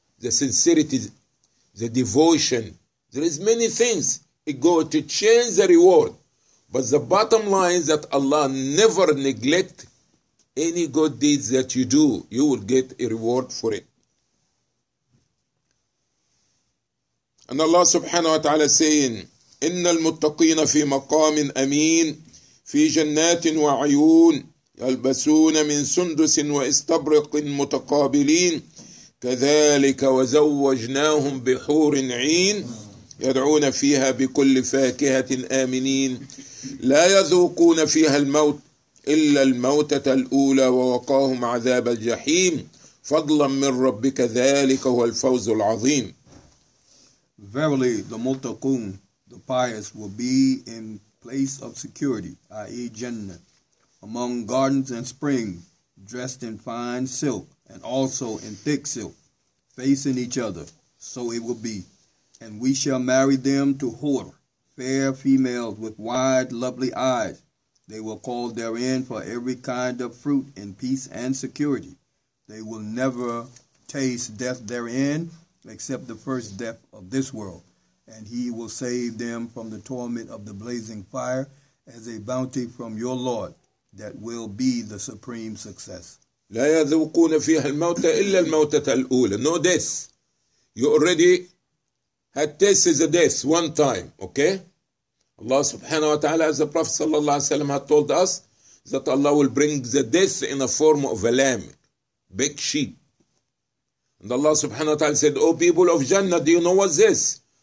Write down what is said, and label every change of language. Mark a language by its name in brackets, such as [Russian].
[English] The sincerity, the devotion. There is many things. It goes to change the reward. But the bottom line is that Allah never neglect any good deeds that you do. You will get a reward for it. [Arabic] And Allah subhanahu wa ta'ala saying, إِنَّ الْمُتَّقِينَ فِي مَقَامٍ أَمِينٍ فِي جَنَّاتٍ وَعِيُونٍ يَلْبَسُونَ مِنْ سُنْدُسٍ وَإِسْتَبْرَقٍ مُتَقَابِلِينَ كَذَلِكَ وَزَوَّجْنَاهُمْ بِحُورٍ عِينٍ يَدْعُونَ فِيهَا بِكُلِّ فَاكِهَةٍ آمِنِينَ لَا يَذُوقُونَ فِيهَا الْمَوْتَ إِلَّا الْمَوْتَةَ الْأُولَى وَوَقَاهُمْ عَذَابَ الْجَحِيمِ فَضْلًا مِنْ رَبِّكَ ذَلِكَ هُوَ الْفَوْزُ الْعَظِيمُ. [English] Verily, the multaqoon, the pious, will be in place of security, i.e. Jannah, among gardens and springs, dressed in fine silk, and also in thick silk, facing each other, so it will be. And we shall marry them to Hur, fair females with wide, lovely eyes. They will call therein for every kind of fruit in peace and security. They will never taste death therein, except the first death of this world, and he will save them from the torment of the blazing fire as a bounty from your Lord that will be the supreme success. [Arabic] لا يذوقون فيها الموت إلا الموتة الأولى. [English] No death. You already had tasted the death one time, okay? Allah subhanahu wa ta'ala, as the Prophet sallallahu alayhi wa sallam had told us, that Allah will bring the death in the form of a lamb, big sheep. And Allah subhanahu wa ta'ala said, O people of Jannah, do you know what this?